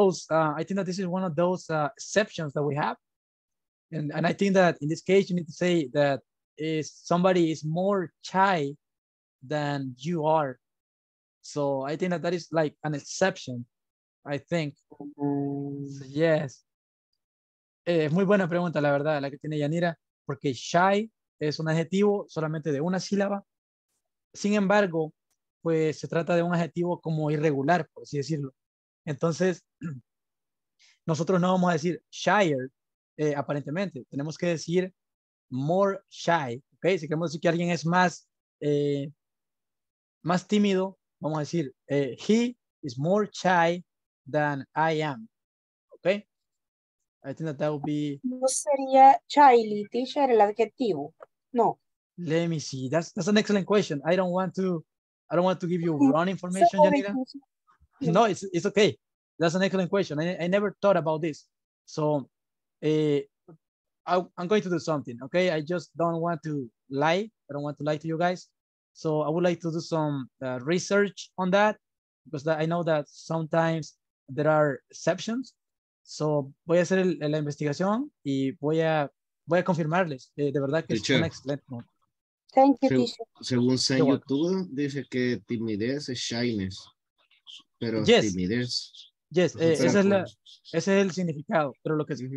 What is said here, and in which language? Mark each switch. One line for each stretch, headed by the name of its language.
English: I think that this is one of those exceptions that we have, and I think that in this case you need to say that is somebody is more shy than you are, so I think that is like an exception, I think. So yes.
Spanish: Es muy buena pregunta, la verdad, la que tiene Yanira, porque shy es un adjetivo solamente de una sílaba. Sin embargo, pues se trata de un adjetivo como irregular, por así decirlo. Entonces, nosotros no vamos a decir shyer, aparentemente. Tenemos que decir more shy, ¿ok? Si queremos decir que alguien es más, más tímido, vamos a decir
English: he is more shy than I am,
Spanish: ¿ok?
English: I think that would be...
Spanish: No sería Chile, teacher, el adjetivo. No.
English: Let me see. That's an excellent question. I don't want to give you wrong information, Yanira. No, it's okay. That's an excellent question. I never thought about this. So I'm going to do something, okay? I just don't want to lie. I don't want to lie to you guys. So I would like to do some research on that because I know that sometimes there are exceptions. So,
Spanish: voy a hacer la investigación y voy a confirmarles. De verdad que teacher, es un excelente momento.
English: Thank you, teacher.
Spanish: Según señor YouTube, dice que timidez es shyness. Pero
English: yes.
Spanish: Timidez. Yes, ese es el significado. Pero lo que uh-huh.